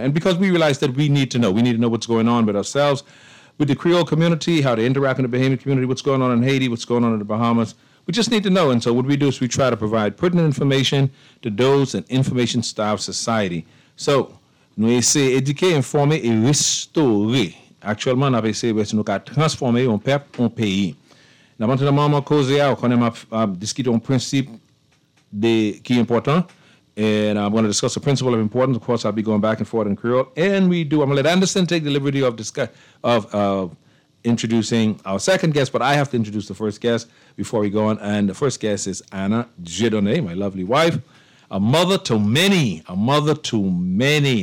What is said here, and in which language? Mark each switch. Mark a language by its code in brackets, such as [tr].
[en] And because we realize that we need to know what's going on with ourselves, with the Creole community, how to interact in the Bahamian community, what's going on in Haiti, what's going on in the Bahamas, we just need to know. And so what we do is we try to provide pertinent information to those in information-starved society. [fr] So, nous essayons d'éduquer, informer et restaurer. Actuellement, nous essayons de transformer un peuple, un pays. Nous avons maintenant un cause, nous avons discuté un principe qui est important. [en] And I'm going to discuss the principle of importance. Of course, I'll be going back and forth in Creole. And we do. I'm going to let Anderson take the liberty of introducing our second guest. But I have to introduce the first guest before we go on. And the first guest is Anna Jedone, my lovely wife, a mother to many, a mother to many.